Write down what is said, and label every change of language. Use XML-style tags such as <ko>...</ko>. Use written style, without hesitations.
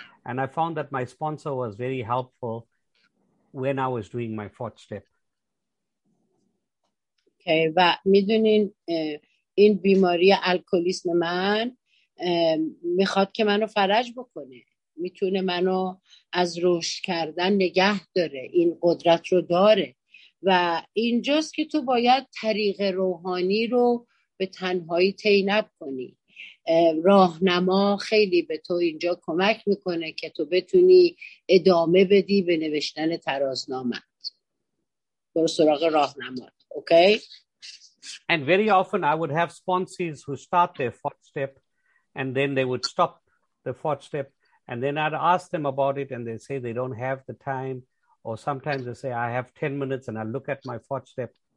<en>And I found that my sponsor was very helpful when I was doing my fourth step.</en> <fa>Okay, و میدونین این بیماری الکلیسم من میخواد که منو فرج بکنه، میتونه منو از رشد کردن نگه داره، این قدرت رو داره و اینجاست که تو باید طریق روحانی رو به تنهایی طی نکنی. راهنما خیلی به تو اینجا کمک میکنه که تو بتونی ادامه بدی به نوشتن ترازنامت. برو سراغ راهنمات. Okay.</fa> <en>And very often I would have sponsees who start their fourth step and then they would stop the fourth step, and then I'd ask them about it and they say they don't have the time, or sometimes they say I have 10 minutes and I look at my fourth step.</en>